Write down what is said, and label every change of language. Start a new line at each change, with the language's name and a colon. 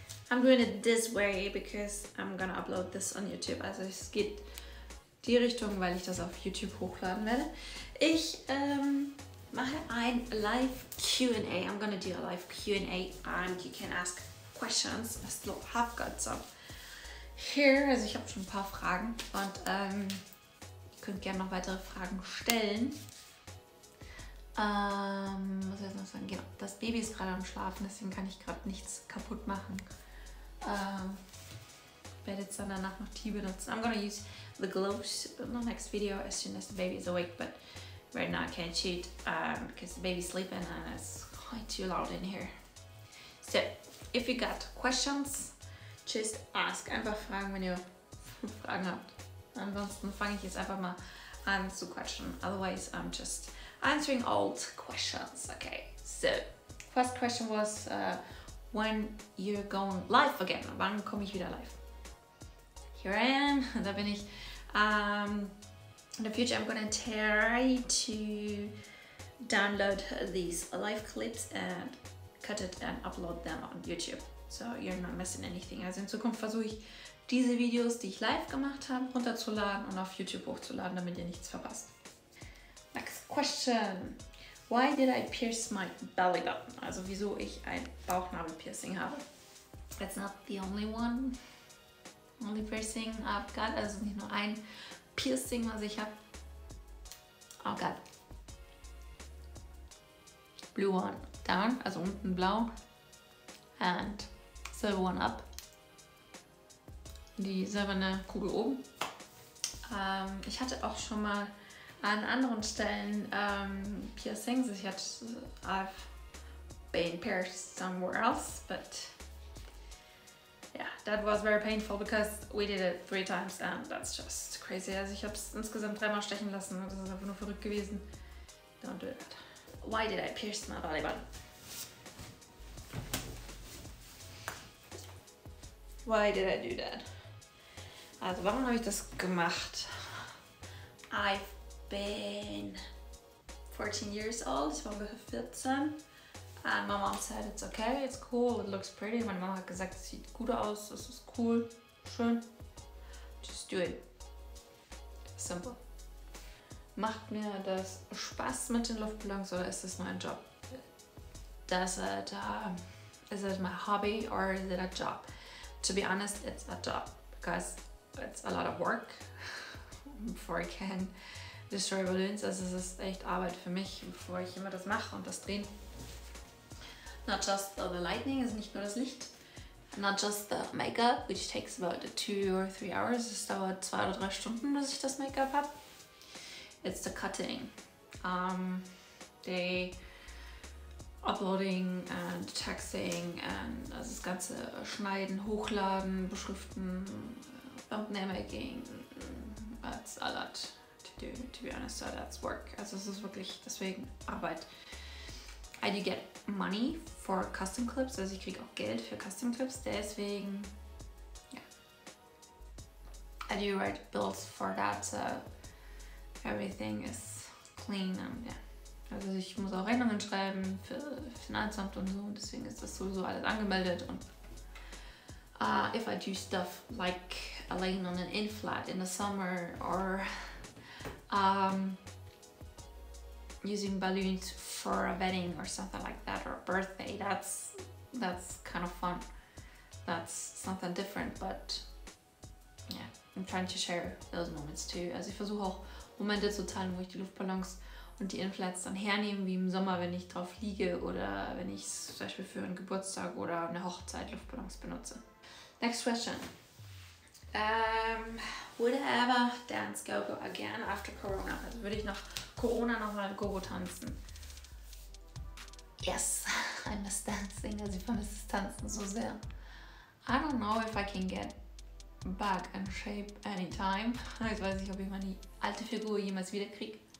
English: I'm doing it this way because I'm gonna upload this on YouTube.
German: Also es geht die Richtung, weil ich das auf YouTube hochladen werde. Ich mache ein live Q&A.
English: I'm gonna do a live Q&A and you can ask questions. I still have got some here.
German: Also ich habe schon ein paar Fragen und ihr könnt gerne noch weitere Fragen stellen. Was soll ich noch sagen? Genau, das Baby ist gerade am Schlafen, deswegen kann ich gerade nichts kaputt machen. Werde jetzt dann danach noch Tee benutzen.
English: I'm gonna use the gloves in the next video as soon as the baby is awake, but right now I can't shoot because the baby's sleeping and it's quite too loud in here. So, if you got questions, just ask.
German: Einfach fragen, wenn ihr Fragen habt. Ansonsten fange ich jetzt einfach mal an zu quatschen.
English: Otherwise, I'm just answering old questions. Okay, so first question was when you're going live again.
German: Wann komme ich wieder live?
English: Here I am.
German: Da bin ich.
English: In the future, I'm gonna try to download these live clips and cut it and upload them on YouTube. So you're not missing anything.
German: Also in Zukunft versuche ich diese Videos, die ich live gemacht habe, runterzuladen und auf YouTube hochzuladen, damit ihr nichts verpasst.
English: Next question. Why did I pierce my belly button?
German: Also wieso ich ein Bauchnabelpiercing habe.
English: That's not the only one. Only piercing I've got.
German: Also nicht nur ein Piercing, was ich habe. Oh Gott.
English: Blue one down,
German: also unten blau.
English: And silver one up.
German: Die silberne Kugel oben. Ich hatte auch schon mal an anderen Stellen Piercings. Ich hatte,
English: I've been pierced somewhere else, but yeah, that was very painful because we did it 3 times and that's just crazy.
German: Also ich habe es insgesamt 3 Mal stechen lassen und das ist einfach nur verrückt gewesen.
English: Don't do that. Why did I pierce my belly button? Why did I do that?
German: Also warum habe ich das gemacht?
English: I've been 14 years old,
German: ich war ungefähr 14.
English: And my mom said, it's okay, it's cool, it looks pretty.
German: Meine Mama hat gesagt, es sieht gut aus, es ist cool, schön.
English: Just do it. Simple.
German: Macht mir das Spaß mit den Luftballons oder ist das nur ein Job?
English: Does it, is it my hobby or is it a job? To be honest, it's a job because it's a lot of work before I can destroy balloons.
German: Also es ist echt Arbeit für mich, bevor ich immer das mache und das drehen.
English: Not just the lightning,
German: also nicht nur das Licht.
English: Not just the makeup, which takes about 2 or 3 hours.
German: Es dauert 2 oder 3 Stunden, bis ich das Make-up habe.
English: It's the cutting. The uploading and texting and
German: also das ganze Schneiden, Hochladen, Beschriften, Thumbnail-Making.
English: That's a lot to do, to be honest. So that's work.
German: Also es ist wirklich deswegen Arbeit.
English: I do get money for custom clips,
German: also ich kriege auch Geld für custom clips, deswegen, yeah.
English: I do write bills for that, so everything is clean and yeah.
German: Also ich muss auch Rechnungen schreiben für Finanzamt und so, deswegen ist das sowieso alles angemeldet und
English: if I do stuff like laying on an inflat in the summer or using balloons for a wedding or something like that, or a birthday, that's kind of fun. That's something different, but yeah, I'm trying to share those moments too.
German: Also ich versuche auch Momente zu teilen, wo ich die Luftballons und die Inflats dann hernehme, wie im Sommer, wenn ich drauf liege oder wenn ich zum Beispiel für einen Geburtstag oder eine Hochzeit Luftballons benutze.
English: Next question. Would I ever dance Gogo again after Corona?
German: Also würde ich nach Corona nochmal Gogo tanzen?
English: Yes, I miss dancing.
German: Also ich vermisse Tanzen so sehr.
English: I don't know if I can get back in shape anytime.
German: Ich weiß nicht, ob ich meine alte Figur jemals wiederkriege.